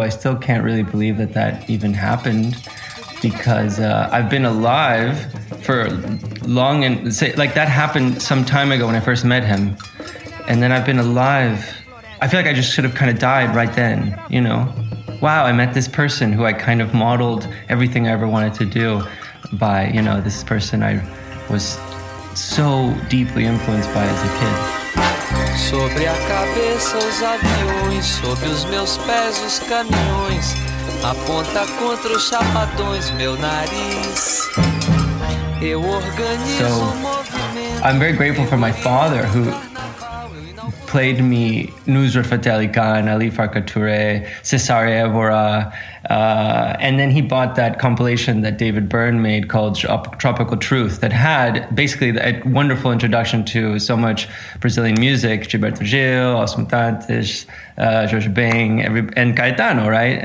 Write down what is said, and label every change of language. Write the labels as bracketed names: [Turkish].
[English] I still can't really believe that even happened, because I've been alive for long, and say, like, that happened some time ago when I first met him, and then I've been alive. I feel like I just should have kind of died right then, you know. Wow, I met this person who I kind of modeled everything I ever wanted to do by, you know, this person I was so deeply influenced by as a kid. [Portuguese] Sobre a cabeça os aviões, sobre os meus pés os caminhões, aponta contra os chapadões meu nariz. Eu organizo o movimento. [English] I'm very grateful for my father who played me Nusrat Fateh Khan, Ali Farka Touré, Cesare Evora. And then he bought that compilation that David Byrne made called Tropical Truth that had basically a wonderful introduction to so much Brazilian music, Gilberto Gil, Os Mutantes, Jorge Bem, and Caetano, right?